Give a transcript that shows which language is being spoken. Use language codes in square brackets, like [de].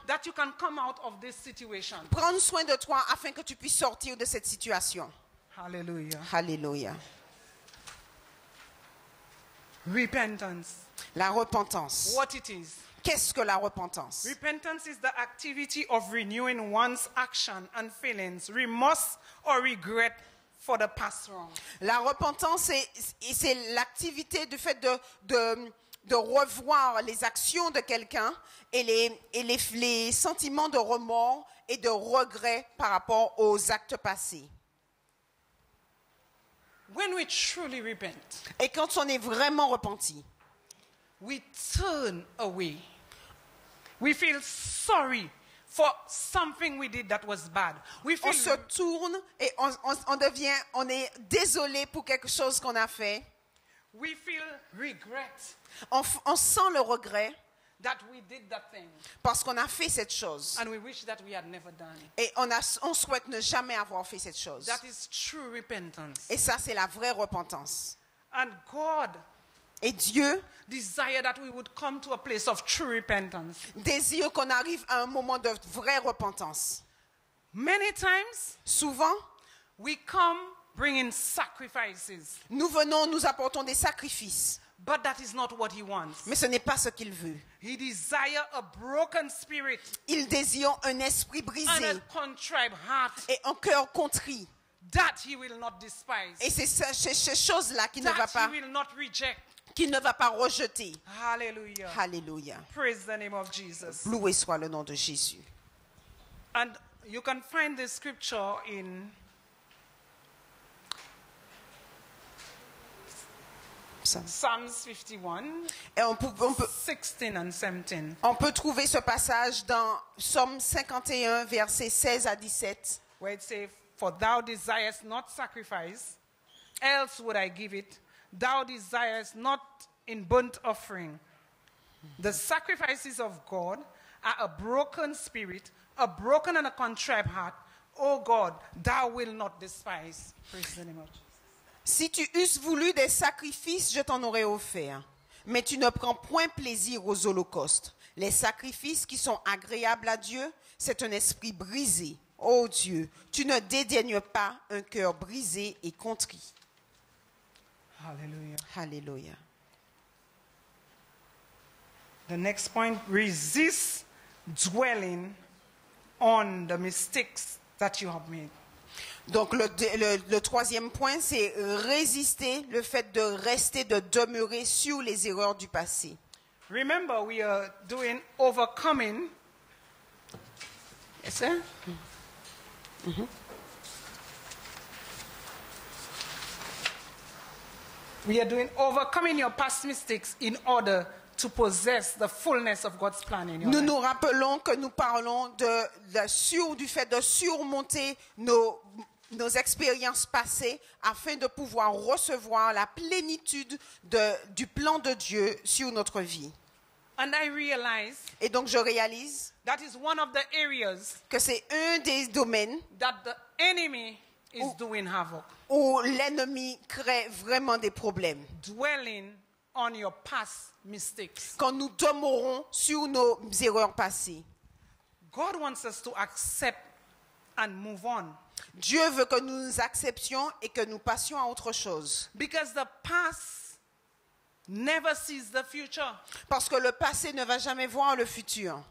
[en] That you can come out of this situation. [fr] Prendre soin de toi afin que tu puisses sortir de cette situation. [en] Hallelujah. [fr] Hallelujah. [en] Repentance. [fr] La repentance. [en] What it is. [fr] Qu'est-ce que la repentance? [en] Repentance is the activity of renewing one's action and feelings, remorse or regret for the past wrong. [fr] La repentance c'est l'activité du fait de revoir les actions de quelqu'un et les sentiments de remords et de regret par rapport aux actes passés. [en] When we truly repent. [fr] Et quand on est vraiment repenti. [en] We turn away. We feel sorry for something we did that was bad. [fr] On se tourne et on est désolé pour quelque chose qu'on a fait. [en] We feel regret. [fr] On sent le regret [en] that we did that thing. [fr] Parce qu'on a fait cette chose. [en] And we wish that we had never done it. [fr] Et on souhaite ne jamais avoir fait cette chose. [en] That is true repentance. [fr] Et ça c'est la vraie repentance. [en] And God. [fr] Et Dieu [en] desire that we would come to a place of true repentance. [fr] Désire qu'on arrive à un moment de vraie repentance. [en] Many times, [fr] souvent, [en] we come bringing sacrifices. [fr] Nous venons, nous apportons des sacrifices. [en] But that is not what he wants. [fr] Mais ce n'est pas ce qu'il veut. [en] He desire a broken spirit. [fr] Il désire un esprit brisé. [en] And a contrite heart. [fr] Et un cœur contrit. [en] That he will not despise. [fr] Et c'est ces choses-là qu'il ne va pas. [en] That he will not reject. [fr] Qu'il ne va pas rejeter. [en] Hallelujah. [fr] Hallelujah. [en] Praise the name of Jesus. [fr] Loué soit le nom de Jésus. [en] And you can find this scripture in Psalms 51. [fr] Et on peut 16 and 17. On peut trouver ce passage dans Psaume 51 versets 16 à 17. [en] Where it says, "For thou desirest not sacrifice, else would I give it. Thou desirest not in burnt offering. The sacrifices of God are a broken spirit, a broken and a contrite heart. O God, thou will not despise." Praise the name of Jesus. [fr] Si tu eusses voulu des sacrifices, je t'en aurais offert. Mais tu ne prends point plaisir aux holocaustes. Les sacrifices qui sont agréables à Dieu, c'est un esprit brisé. Ô Dieu, tu ne dédaignes pas un cœur brisé et contrit. [en] Hallelujah. [fr] Hallelujah. [en] The next point, resist dwelling on the mistakes that you have made. [fr] Donc le troisième point, c'est résister le fait de rester, de demeurer sur les erreurs du passé. [en] Remember, we are doing overcoming. Yes, sir? We are doing overcoming your past mistakes in order to possess the fullness of God's plan in your life. [fr] Nous rappelons que nous parlons du fait de surmonter nos expériences passées afin de pouvoir recevoir la plénitude du plan de Dieu sur notre vie. [en] And I realize. [fr] Et donc je réalise. [en] That is one of the areas. [fr] Que c'est un des domaines. [en] That the enemy. Is doing havoc. [fr] Où l'ennemi crée vraiment des problèmes. [en] Dwelling on your past mistakes. [fr] Quand nous demeurons sur nos erreurs passées. [en] God wants us to accept and move on. [fr] Dieu veut que nous acceptions et que nous passions à autre chose. [en] Because the past never sees the future. [fr] Parce que le passé ne va jamais voir le futur.